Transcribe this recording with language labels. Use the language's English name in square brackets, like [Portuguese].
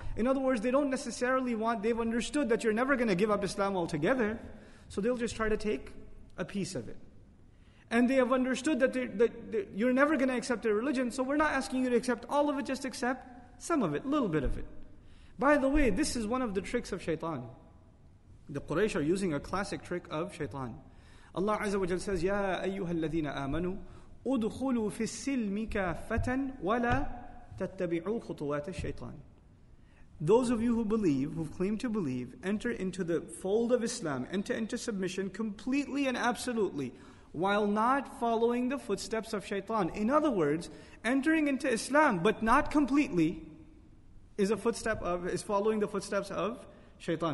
[English] In other words, they don't necessarily want, they've understood that you're never going to give up Islam altogether, so they'll just try to take a piece of it. And they have understood that you're never going to accept their religion, so we're not asking you to accept all of it, just accept some of it, a little bit of it. By the way, this is one of the tricks of shaitan. The Quraysh are using a classic trick of shaitan. Allah Azza wa Jal says, [Arabic] يَا أَيُّهَا الَّذِينَ آمَنُوا أُدْخُلُوا فِي السِّلْمِ كَافَّةً وَلَا تَتَّبِعُوا خُطُوَاتَ الشَّيْطَانِ. [English] Those of you who believe, who claim to believe, enter into the fold of Islam, enter into submission completely and absolutely, while not following the footsteps of shaitan. In other words, entering into Islam, but not completely, is following the footsteps of shaitan.